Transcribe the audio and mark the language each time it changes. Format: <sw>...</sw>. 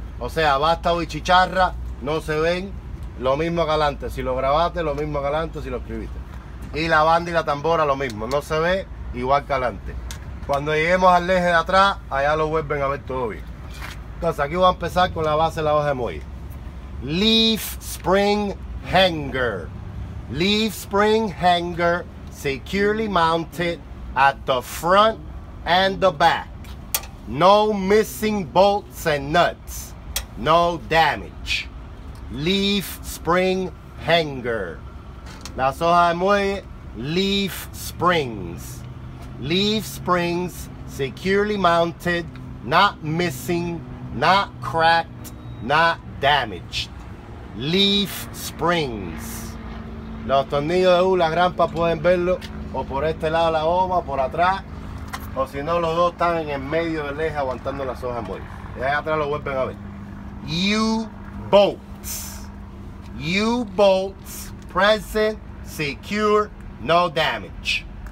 <es>O sea, vástago y chicharra no se ven, lo mismo que adelante. Si lo grabaste, lo mismo que adelante, si lo escribiste. Y la banda y la tambora, lo mismo, no se ve igual que adelante. Cuando lleguemos al eje de atrás, allá lo vuelven a ver todo bien. Entonces, aquí voy a empezar con la base de la hoja de muelle.</es> <en>Leaf spring hanger. Leaf spring hanger securely mounted at the front and the back. No missing bolts and nuts. No damage. Leaf spring hanger.</en> <es>Las hojas de muelle,</es> <en>leaf springs. Leaf springs securely mounted, not missing, not cracked, not damaged. Leaf springs.</en> <es>Los tornillos de U, la grampa, pueden verlo o por este lado la hoja, por atrás, o si no, los dos están en el medio del eje aguantando las hojas en vuelo. Y ahí atrás lo vuelven a ver. U-bolts.</es> <en>U-bolts present, secure, no damage.</en>